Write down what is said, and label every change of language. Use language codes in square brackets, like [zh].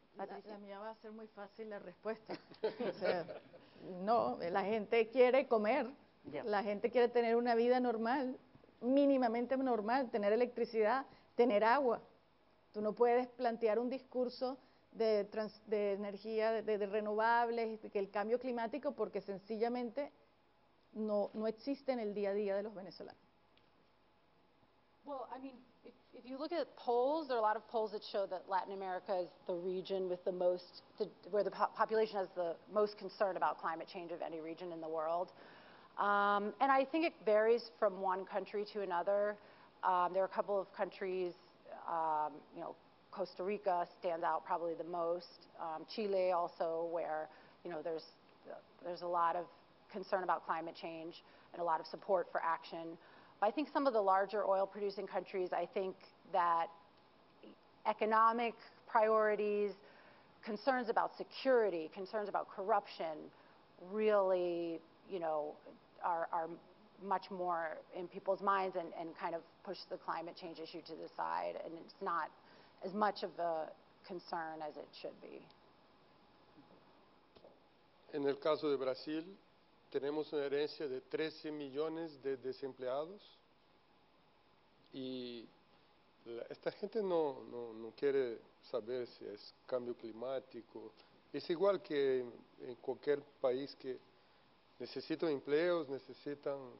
[es] La mía va a ser muy fácil la respuesta. O sea, no, la gente quiere comer, la gente quiere tener una vida normal, mínimamente normal, tener electricidad, tener agua. Tú no puedes plantear un discurso de energía, de renovables, que el cambio climático, porque sencillamente no existe en el día a día de los venezolanos. [en] Well, I mean, if you look at polls, there are a lot of polls that show that Latin America is the region with the most, where the population has the most concern about climate change of any region in the world. And I think it varies from one country to another. There are a couple of countries, you know, Costa Rica stands out probably the most. Chile also, where, you know, there's a lot of concern about climate change and a lot of support for action. I think some of the larger oil-producing countries, I think that economic priorities, concerns about security, concerns about corruption, really, you know, are much more in people's minds and kind of push the climate change issue to the side, and it's not as much of a concern as it should be. [es] En el caso de Brasil, tenemos una herencia de 13 millones de desempleados. Y esta gente no quiere saber si es cambio climático. Es igual que en cualquier país que necesita empleos, necesitan.